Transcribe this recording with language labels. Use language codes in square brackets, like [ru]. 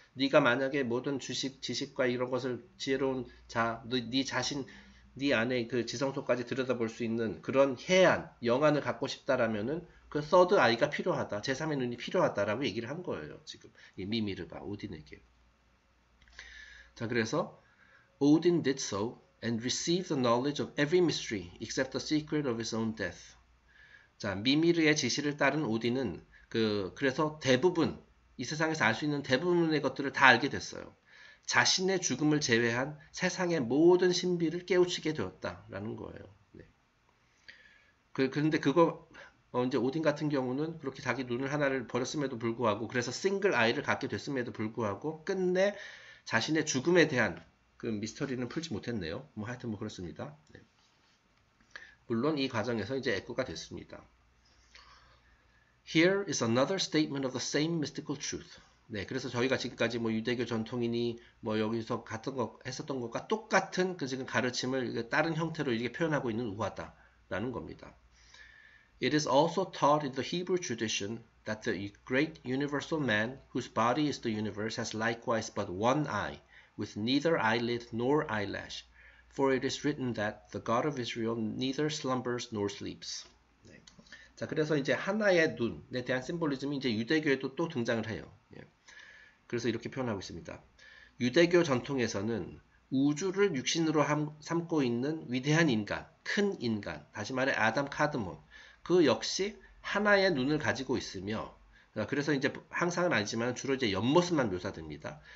[ko] 네가 만약에 모든 주식, 지식과 이런 것을 지혜로운 자, 네 자신, 네 안에 그 지성소까지 들여다볼 수 있는 그런 해안, 영안을 갖고 싶다라면은 그 third eye가 필요하다. 제3의 눈이 필요하다라고 얘기를 한 거예요. 지금. 이 미미르가 오딘에게. 자, 그래서 [en] Odin did so and received the knowledge of every mystery except the secret of his own death. [ko] 자, 미미르의 지시를 따른 오딘은 그래서 대부분 이 세상에서 알수 있는 대부분의 것들을 다 알게 됐어요. 자신의 죽음을 제외한 세상의 모든 신비를 깨우치게 되었다라는 거예요. 네. 그런데 그거 이제 오딘 같은 경우는 그렇게 자기 눈을 하나를 버렸음에도 불구하고 그래서 싱글 아이를 갖게 됐음에도 불구하고 끝내 자신의 죽음에 대한 그 미스터리는 풀지 못했네요. 뭐 하여튼 뭐 그렇습니다. 네. 물론 이 과정에서 이제 에코가 됐습니다. [en] Here is another statement of the same mystical truth. [ko] 네, 그래서 저희가 지금까지 뭐 유대교 전통이니 뭐 여기서 같은 거 했었던 것과 똑같은 그 지금 가르침을 다른 형태로 이렇게 표현하고 있는 우화다라는 겁니다. [en] It is also taught in the Hebrew tradition that the great universal man whose body is the universe has likewise but one eye, with neither eyelid nor eyelash, for it is written that the God of Israel neither slumbers nor sleeps. [ko] 네. 자, 그래서 이제 하나의 눈에 대한 심볼리즘이 이제 유대교에도 또 등장을 해요. 예. 그래서 이렇게 표현하고 있습니다. 유대교 전통에서는 우주를 육신으로 삼고 있는 위대한 인간, 큰 인간, 다시 말해 아담 카드몬, 그 역시 하나의 눈을 가지고 있으며, 그래서 이제 항상은 아니지만 주로 이제 옆모습만 묘사됩니다.